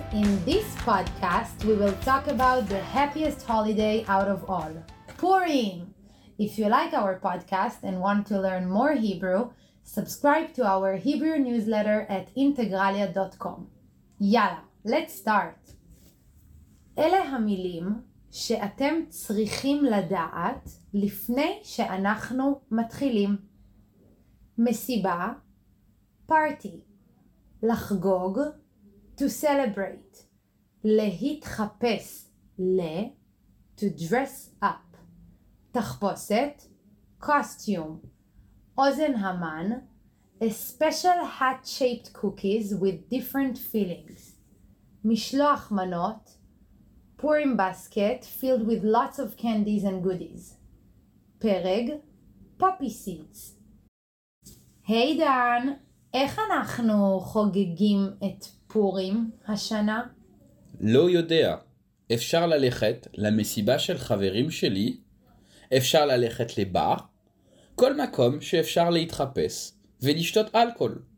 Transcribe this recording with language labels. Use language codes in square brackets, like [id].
[en] In this podcast, we will talk about the happiest holiday out of all, Purim! If you like our podcast and want to learn more Hebrew, subscribe to our Hebrew newsletter at integralia.com. Yalla, let's start! [he] אלה המילים שאתם צריכים לדעת לפני שאנחנו מתחילים. [en] מסיבה, party, לחגוג, to celebrate, להתחפש, to dress up, תחפושת, costume, אוזן המן, a special hat-shaped cookies with different fillings, משלוח מנות, Purim basket filled with lots of candies and goodies. Pereg, poppy seeds. [he] Hey Dan, איך אנחנו חוגגים את פורים השנה? לא יודע. אפשר ללכת למסיבה של חברים שלי, אפשר ללכת לבר, כל מקום שאפשר להתחפש ולשתות אלכוהול.